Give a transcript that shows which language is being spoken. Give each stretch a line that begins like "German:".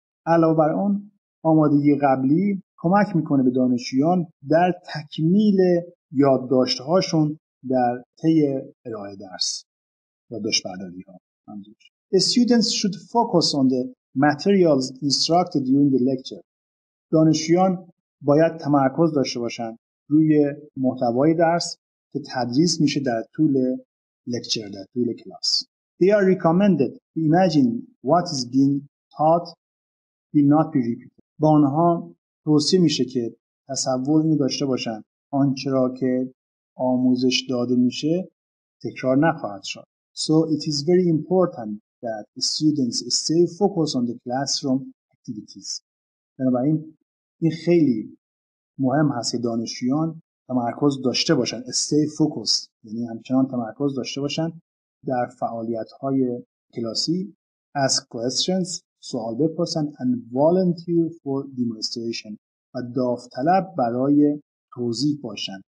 Persian: علاوه بر اون، آمادگی قبلی کمک میکنه به دانشجویان در تکمیل یادداشت‌هاشون در طی ارائه درس. یادداشت‌برداری‌ها.
English: The students should focus on the materials instructed during the lecture.
Persian: دانشجویان باید تمرکز داشته باشن روی محتوای درس که تدریس میشه در طول لکچر، در طول کلاس.
English: They are recommended to imagine what is being taught will not be repeated.
Persian: با آنها توصیه میشه که تصور اینو داشته باشن آنچه را که آموزش داده میشه تکرار نخواهد شد.
English: So it is very important that students stay focused on the classroom activities.
Persian: بنابراین این خیلی مهم هست که دانشجویان تمرکز داشته باشن،
English: stay focused،
Persian: یعنی همچنان تمرکز داشته باشن در فعالیت‌های کلاسی،
English: ask questions،
Persian: سوال بپرسن،
English: and volunteer for demonstration،
Persian: و داوطلب برای توضیح باشن.